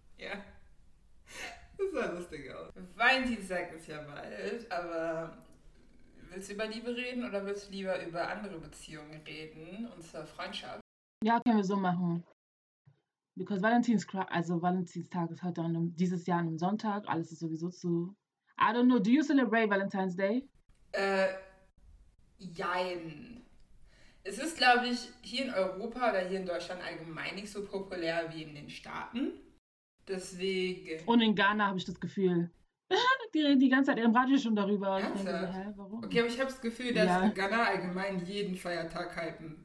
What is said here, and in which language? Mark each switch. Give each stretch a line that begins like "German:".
German: Ja. Das sah lustig aus. Valentinstag ist ja bald, aber willst du über Liebe reden oder willst du lieber über andere Beziehungen reden und zur Freundschaft? Ja, können wir so machen. Because Valentinstag ist heute dieses Jahr an einem Sonntag. Alles ist sowieso zu...
English: I don't know, do you celebrate Valentine's Day?
German: Jein. Es ist, glaube ich, hier in Europa oder hier in Deutschland allgemein nicht so populär wie in den Staaten. Deswegen... Und in Ghana habe ich das Gefühl. Die reden die ganze Zeit im Radio schon darüber. Ich denke, hä, warum? Okay, aber ich habe das Gefühl, dass in Ghana allgemein jeden Feiertag hypen.